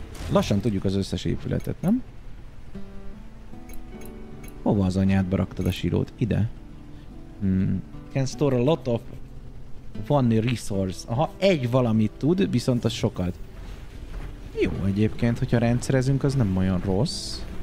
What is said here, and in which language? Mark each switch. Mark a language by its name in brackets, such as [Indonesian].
[Hungarian] Lassan tudjuk az összes épületet, nem? Hova az anyád beraktad a silót? Ide. [English] Can store a lot of one resource. [Hungarian] Aha, egy valamit tud, viszont az sokat. Jó egyébként, hogyha rendszerezünk, az nem olyan rossz.